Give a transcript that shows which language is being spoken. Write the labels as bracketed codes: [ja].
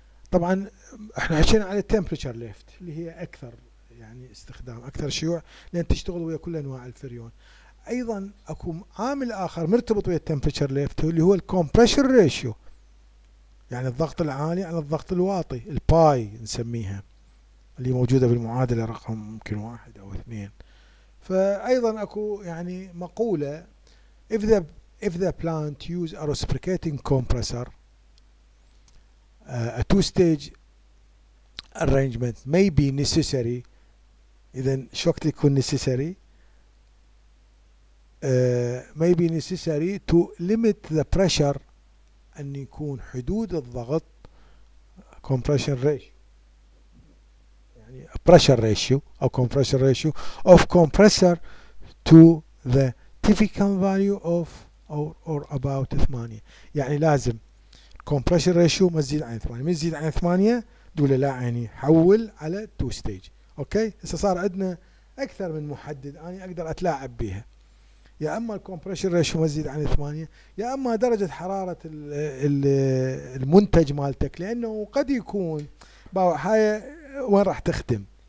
[ar] طبعا احنا عشان على التمبريتشر ليفت اللي هي اكثر يعني استخدام اكثر شيوع لان تشتغل ويا كل انواع الفريون. ايضا اكو عامل اخر مرتبط ويا التمبريتشر ليفت اللي هو الكومبريشن ريشيو، يعني الضغط العالي على الضغط الواطي الباي نسميها، اللي موجودة بالمعادلة رقم يمكن 1 أو 2. فأيضا أكو يعني مقولة [en] if the plant use a reciprocating compressor a two stage arrangement may be necessary. [ar] إذا شو وقت يكون [en] necessary may be necessary to limit the pressure، [ar] أن يكون حدود الضغط [en] compression ratio pressure ratio or compression ratio of compressor to the typical value of or about 8. [ar] يعني لازم compression ratio ما تزيد عن 8، ما تزيد عن 8 دول لا يعني حول على 2 stage. اوكي هسه صار عندنا اكثر من محدد انا اقدر اتلاعب بها، يا اما compression ratio ما تزيد عن 8 يا اما درجة حرارة الـ المنتج مالتك، لانه قد يكون باو هاي وين راح تخدم.